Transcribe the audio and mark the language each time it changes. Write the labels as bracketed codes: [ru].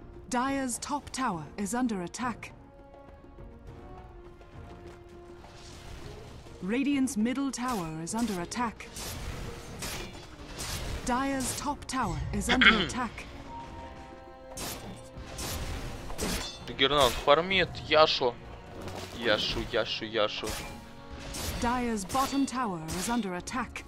[en] Dire's top tower is under attack. Radiant's middle tower is under attack. Dire's top tower is under attack. [ru] Джаггернаут фармит Яшу. Яшу, Яшу, Яшу. [en] Dire's bottom tower is under attack.